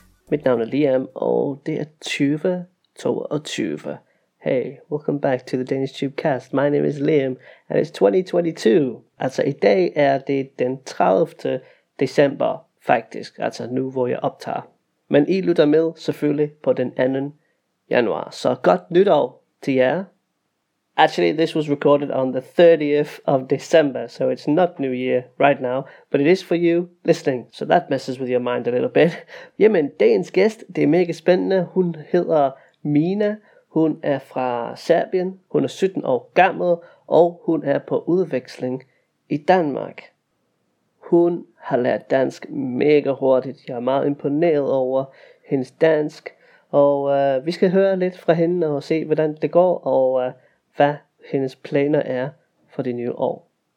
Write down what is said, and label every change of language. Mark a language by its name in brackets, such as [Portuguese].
[Danish] Mit navn er Liam, og det er 2022. [English] Hey, welcome back to the Danish Tube Cast. My name is Liam, and it's 2022. [Danish] Altså, i dag er det den 30. december, faktisk. Altså, nu hvor jeg optager. Men I lytter med, selvfølgelig, på den 2. januar. Så godt nytår til jer. [English] Actually, this was recorded on the 30th of December, so it's not New Year right now, but it is for you listening, so that messes with your mind a little bit. [Danish] Jamen, dagens gæst, det er mega spændende. Hun hedder Mina, hun er fra Serbien, hun er 17 år gammel, og hun er på udveksling i Danmark. Hun har lært dansk mega hurtigt. Jeg er meget imponeret over hendes dansk, og vi skal høre lidt fra hende og se, hvordan det går, og hvad hendes planer er for det nye år.